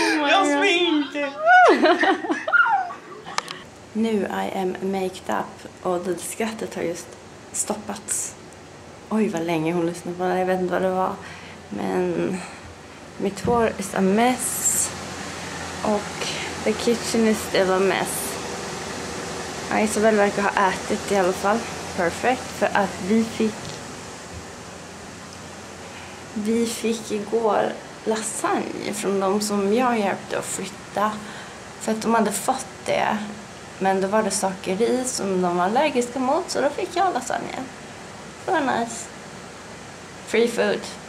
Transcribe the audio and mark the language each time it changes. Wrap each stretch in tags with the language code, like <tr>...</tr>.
<sv>Jag sminkar! Nu</sv> <en>I am made up</en> <sv>och det skrattet har just stoppats. Oj vad länge hon lyssnade på det, jag vet inte vad det var. Men mitt hår är</sv> <en>a mess.</en> <sv>Och</sv> <en>the kitchen is still a mess.</en> <sv>Ja, Isabel verkar ha ätit i alla fall.</sv> <en>Perfect.</en> <sv>För att vi fick igår lasagne från de som jag hjälpte att flytta. För att de hade fått det. Men då var det saker i som de var allergiska mot, så då fick jag lasagne. Så det var nice.</sv> <en>Free food.</en>